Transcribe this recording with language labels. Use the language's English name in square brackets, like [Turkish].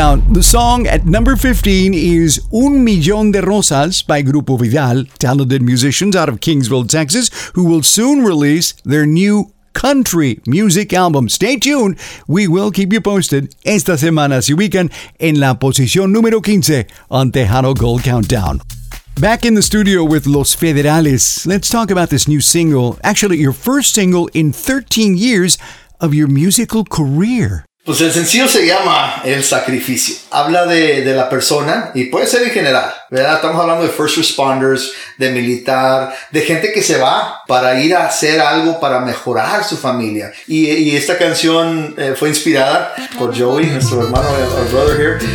[English] The song at number 15 is Un Millón de Rosas by Grupo Vidal, talented musicians out of Kingsville, Texas, who will soon release their new country music album. Stay tuned, we will keep you posted. [Spanish] Esta semana se ubican en la posición número 15 on Tejano Gold Countdown. [English] Back in the studio with Los Federales, let's talk about this new single, actually your first single in 13 years of your musical career. [Spanish] Pues el sencillo se llama El Sacrificio. Habla de la persona y puede ser en general, ¿verdad? Estamos hablando de first responders, de militar, de gente que se va para ir a hacer algo para mejorar su familia. Y esta canción fue inspirada por Joey, nuestro hermano, [English] our brother here.